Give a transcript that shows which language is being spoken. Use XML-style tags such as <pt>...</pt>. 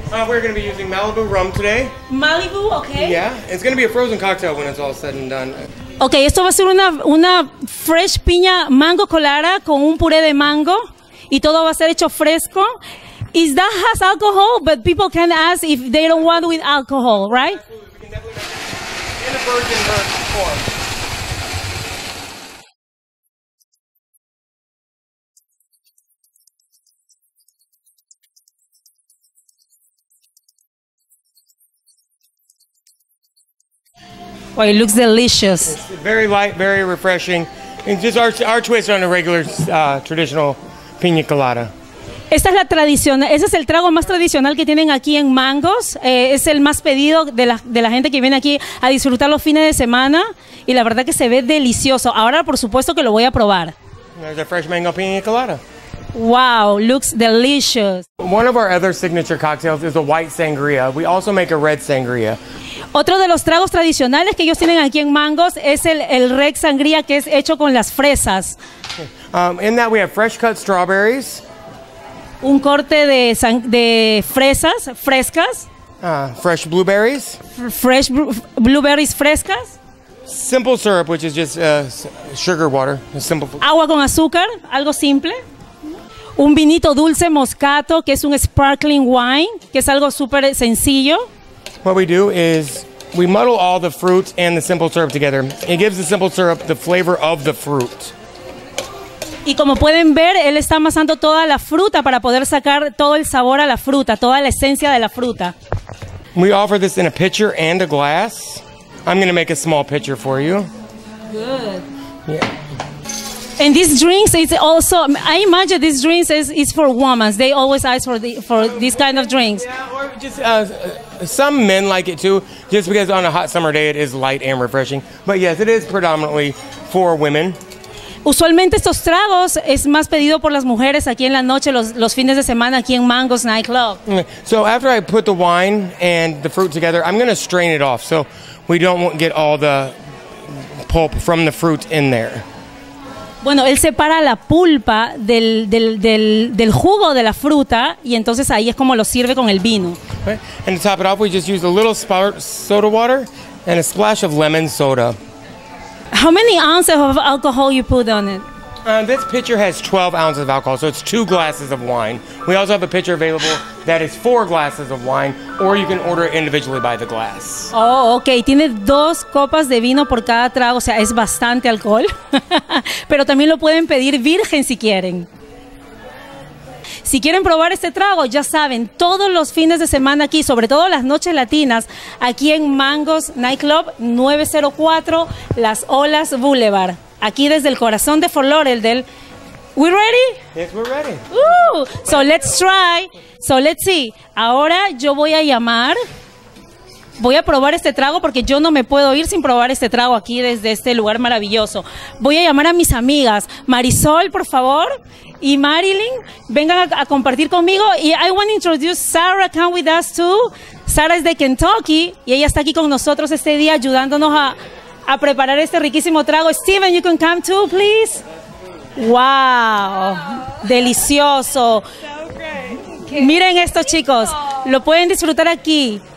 <en>We're going to be using Malibu rum today. Malibu, okay. Yeah, it's going to be a frozen cocktail when it's all said and done.</en> <es>Okay, esto va a ser una fresh piña mango colada con un puré de mango. Y todo va a ser hecho fresco.</es> <en>Is that has alcohol? But people can ask if they don't want with alcohol, right? In a virgin form. Well, it looks delicious. It's very light, very refreshing. And just our twist on a regular traditional piña colada.</en> <es>Esta es la tradicional, ese es el trago más tradicional que tienen aquí en Mango's. Es el más pedido de la gente que viene aquí a disfrutar los fines de semana y la verdad que se ve delicioso. Ahora por supuesto que lo voy a probar.</es> <en>There's a fresh mango piña colada. Wow, looks delicious. One of our other signature cocktails is a white sangria. We also make a red sangria.</en> <es>Otro de los tragos tradicionales que ellos tienen aquí en Mangos es el Red Sangría, que es hecho con las fresas.</es> <en>In that we have fresh cut strawberries.</en> <es>Un corte de fresas frescas.</es> <en>Fresh blueberries.</en> <es>Blueberries frescas.</es> <en>Simple syrup, which is just sugar water. Simple.</en> <es>Agua con azúcar, algo simple. Un vinito dulce moscato, que es un sparkling wine, que es algo súper sencillo.</es> <en>What we do is we muddle all the fruit and the simple syrup together. It gives the simple syrup the flavor of the fruit.</en> <es>Y como pueden ver, él está amasando toda la fruta para poder sacar todo el sabor a la fruta, toda la esencia de la fruta.</es> <en>We offer this in a pitcher and a glass. I'm going to make a small pitcher for you. Good. Yeah. And these drinks, it's also, I imagine these drinks is for women. They always ask for these kind of drinks. Yeah, or just some men like it too, just because on a hot summer day it is light and refreshing. But yes, it is predominantly for women.</en> <es>Usualmente estos tragos es más pedido por las mujeres aquí en la noche, los fines de semana aquí en Mangos Nightclub.</es> <en>So after I put the wine and the fruit together, I'm going to strain it off so we don't get all the pulp from the fruit in there.</en> <es>Bueno, él separa la pulpa del jugo de la fruta y entonces ahí es como lo sirve con el vino.</es> <en>Okay. And to top it off, we just use a little soda water and a splash of lemon soda. How many ounces of alcohol you put on it? This pitcher has 12 ounces of alcohol, so it's 2 glasses of wine. We also have a pitcher available that is 4 glasses of wine, or you can order it individually by the glass. Oh, okay.</en> <es>Tiene 2 copas de vino por cada trago, o sea, es bastante alcohol. Pero también lo pueden pedir virgen si quieren. Si quieren probar este trago, ya saben, todos los fines de semana aquí, sobre todo las noches latinas, aquí en Mangos Nightclub 904 Las Olas Boulevard. Aquí desde el corazón de Fort Lauderdale.</es> <en>We ready? Yes, we're ready. So let's try. So let's see.</en> <es>Ahora yo voy a llamar. Voy a probar este trago porque yo no me puedo ir sin probar este trago aquí desde este lugar maravilloso. Voy a llamar a mis amigas. Marisol, por favor. Y Marilyn, vengan a compartir conmigo.</es> <en>Y I want to introduce Sarah, come with us too.</en> <es>Sarah es de Kentucky y ella está aquí con nosotros este día ayudándonos a preparar este riquísimo trago.</es> <en>Steven, you can come too, please. Wow.</en> <es>Delicioso. Miren esto, chicos. Lo pueden disfrutar aquí.</es>